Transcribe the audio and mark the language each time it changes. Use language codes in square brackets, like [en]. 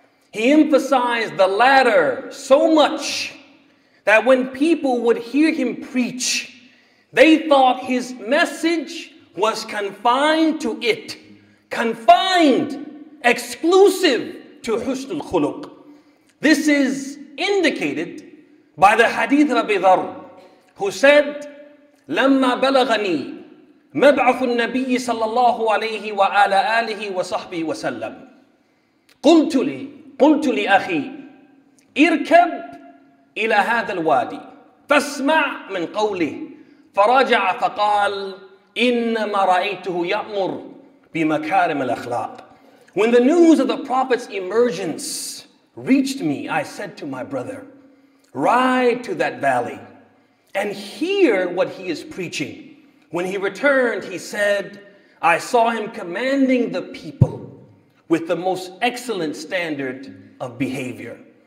[en] He emphasized the latter so much that when people would hear him preach, they thought his message was confined to it, confined, exclusive to husnul khuluq. This is indicated by the hadith of Abi Dharr, who said, [ar] لَمَّا بَلَغَنِي مَبْعَثُ النَّبِيِّ صَلَّى اللَّهُ عَلَيْهِ وَعَلَى آلِهِ وَصَحْبِهِ وَسَلَّمْ قُلْتُ لِي أَخِي إِرْكَبْ إلى هذا الوادي فاسمع من قوله فرجع فقال إنما رأيته يأمر بمكارم الأخلاق. [en] When the news of the Prophet's emergence reached me, I said to my brother, ride to that valley and hear what he is preaching. When he returned, he said, I saw him commanding the people with the most excellent standard of behavior.